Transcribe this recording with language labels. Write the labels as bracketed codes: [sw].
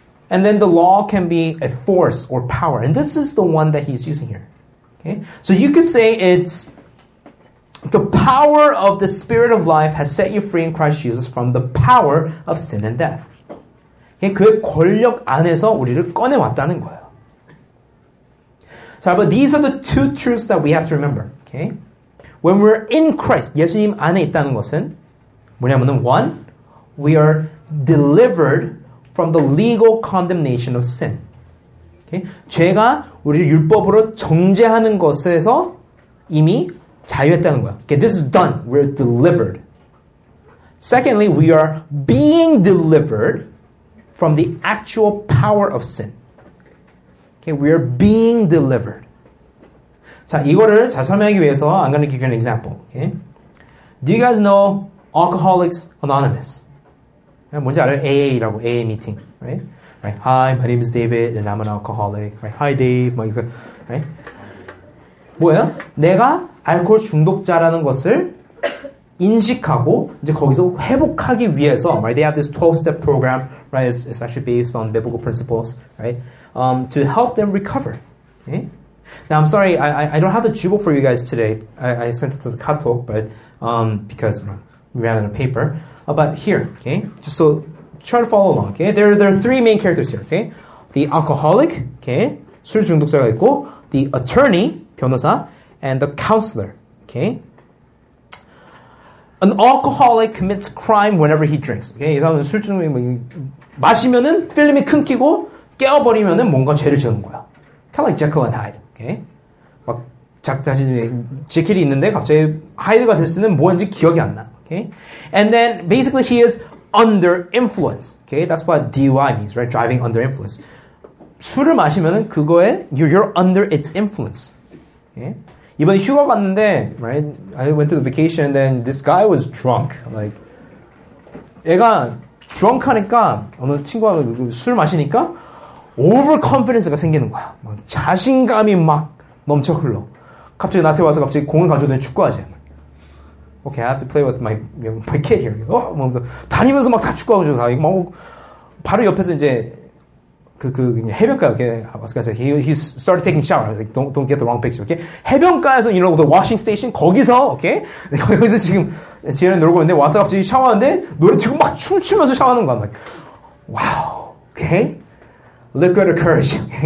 [en] And then the law can be a force or power, and this is the one that he's using here, okay? So you could say it's The power of the Spirit of life has set you free in Christ Jesus from the power of sin and death. [ko] 그 권력 안에서 우리를 꺼내왔다는 거예요. [en] 자, but these are the two truths that we have to remember. Okay? When we're in Christ, [ko] 예수님 안에 있다는 것은 뭐냐면 [en] one, we are delivered from the legal condemnation of sin. Okay? [ko] 죄가 우리를 율법으로 정죄하는 것에서 이미 자유했다는 거야. [en] Okay, this is done. We're delivered. Secondly, we are being delivered from the actual power of sin. Okay, we are being delivered. [ko] 자, 이거를 잘 설명하기 위해서 [en] I'm going to give you an example. Okay? Do you guys know Alcoholics Anonymous? [ko] 뭔지 알아요? [en] AA라고, AA meeting. Right? Right. Hi, my name is David and I'm an alcoholic. Right. Hi, Dave. My... Right? [ko] 뭐야? 내가 알코올 중독자라는 것을 인식하고 이제 거기서 회복하기 위해서 right? [en] They have this 12-step program, right? It's actually based on biblical principles, right? To help them recover. Okay? Now, I'm sorry, I don't have the jubo for you guys today. I sent it to the katok, but because we ran out of paper. But here, okay? Just so try to follow along, okay? There are three main characters here, okay? The alcoholic, okay? [ko] 술 중독자가 있고, [en] the attorney, 변호사, and the counselor, okay? An alcoholic commits crime whenever he drinks, okay? [ko] 이 사람은 술 중독이 마시면은 필름이 끊기고 깨어버리면은 뭔가 죄를 지은 거야. [en] Kind of like Jekyll and Hyde, okay? [ko] 막 자신의 지킬이 있는데 갑자기 하이드가 됐을 때는 뭐인지 기억이 안 나, okay? [en] And then basically he is under influence, okay? That's what DUI means, right? Driving under influence. [ko] 술을 마시면은 그거에 [en] you're under its influence, okay? [ko] 이번에 휴가 갔는데, right? [en] I went to the vacation and then this guy was drunk. [ko] Like, 얘가 drunk 하니까, 어느 친구하고 술 마시니까, overconfidence가 생기는 거야. 막 자신감이 막 넘쳐 흘러. 갑자기 나한테 와서 갑자기 공을 가져오더니 축구하지. [en] Okay, I have to play with my kid here. [ko] 막 다니면서 막 다 축구하고, 다 이거 막 바로 옆에서 이제, 그 해변가 okay? [en] I was gonna say he started taking shower. I was like don't get the wrong picture. [ko] Okay, 해변가에서 [en] you know the washing station [ko] 거기서 okay 거기서 지금 지혜를 누르고 있는데 와서 갑자기 샤워하는데 노래 듣고 막 춤추면서 샤워하는 거야. [en] Like, wow, okay, liquid courage.